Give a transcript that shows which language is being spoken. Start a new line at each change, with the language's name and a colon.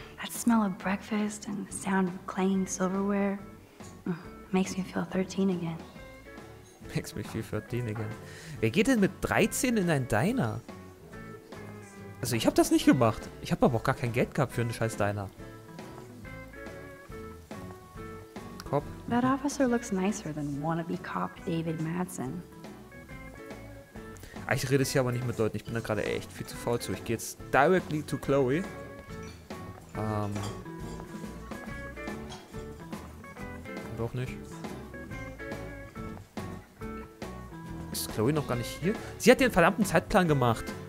English: Smell of breakfast and the sound of clanging silverware makes me feel 13 again. Makes me feel 13 again.
German: Wer geht denn mit 13 in ein Diner? Also ich habe das nicht gemacht. Ich habe aber auch gar kein Geld gehabt für einen scheiß Diner.
English: Cop. That officer looks nicer than wannabe cop David Madsen.
German: Ich rede es hier aber nicht mit Leuten. Ich bin da gerade echt viel zu faul zu. Ich gehe jetzt
English: directly to
German: Chloe. Doch nicht. Ist Chloe noch gar nicht hier? Sie hat den verdammten Zeitplan gemacht.